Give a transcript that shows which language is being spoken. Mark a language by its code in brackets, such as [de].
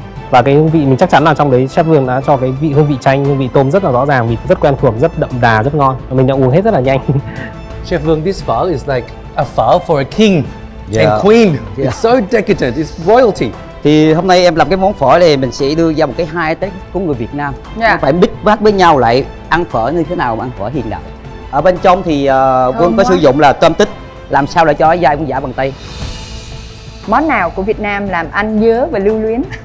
[vi] Và cái hương vị mình chắc chắn là trong đấy Chef Vương đã cho cái vị hương vị chanh, hương vị tôm rất là rõ ràng, vị rất quen thuộc, rất đậm đà, rất ngon. Mình đã uống hết rất là nhanh. [en] Chef Vương, this pho is like a pho for a king and queen. It's so decadent, it's royalty. [vi] Thì hôm nay em làm cái món phở này, mình sẽ đưa ra một cái hai tết của người Việt Nam. Nó phải mix bát với nhau lại, ăn phở như thế nào mà ăn phở hiện đại. Ở bên trong thì Vương có sử dụng là tôm tích. Làm sao để cho cái dai cũng giả bằng tay. Món nào của Việt Nam làm anh nhớ và lưu luyến?